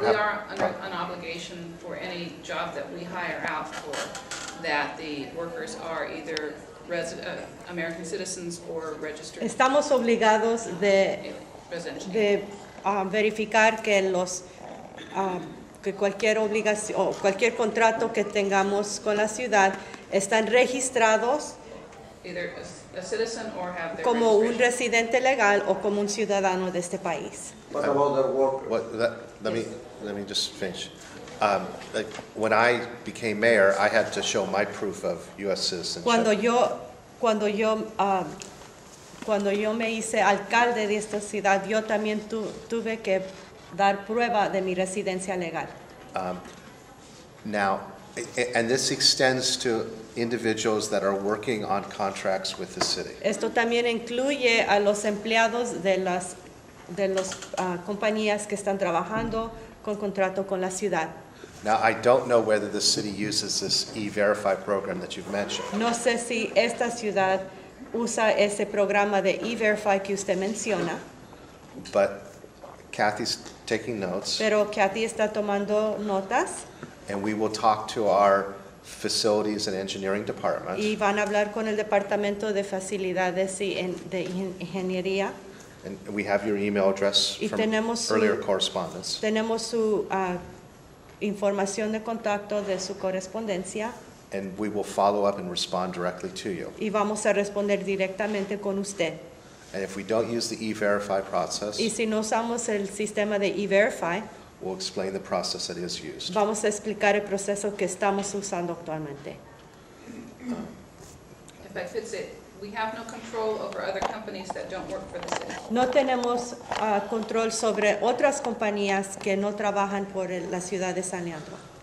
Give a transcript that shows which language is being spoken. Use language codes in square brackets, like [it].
[en] we have an obligation for any job that we hire out for that the workers are either American citizens or registered. [es] Estamos obligados de verificar que los que cualquier obligación o cualquier contrato que tengamos con la ciudad están registrados. [en] Either a citizen or have their [es] como un residente legal o como un ciudadano de este país. [en] What about the workers? Let me just finish. When I became mayor, I had to show my proof of U.S. citizenship. [es] Cuando yo me hice alcalde de esta ciudad, yo también tuve que dar prueba de mi residencia legal. [en] Now, and this extends to individuals that are working on contracts with the city. [es] Esto también incluye a los empleados de las compañías que están trabajando con contrato con la ciudad. [en] Now, I don't know whether the city uses this E-Verify program that you've mentioned. [es] No sé si esta ciudad usa ese programa de E-Verify que usted menciona. [en] But Kathy's taking notes. [es] Pero Kathy está tomando notas. [en] And we will talk to our facilities and engineering department. [es] Y van a hablar con el departamento de facilidades y de ingeniería. [en] And we have your email address from earlier correspondence. [es] Tenemos su información de contacto de su correspondencia. [en] And we will follow up and respond directly to you. [es] Y vamos a responder directamente con usted. [en] And if we don't use the E-Verify process, [es] y si no usamos el sistema de E-Verify, [en] we'll explain the process that is used. [es] Vamos a explicar el proceso que estamos usando actualmente. [en] If that fits it, we have no control over other companies that don't work for the city. [es] No tenemos control sobre otras compañías que no trabajan por la ciudad de San Leandro.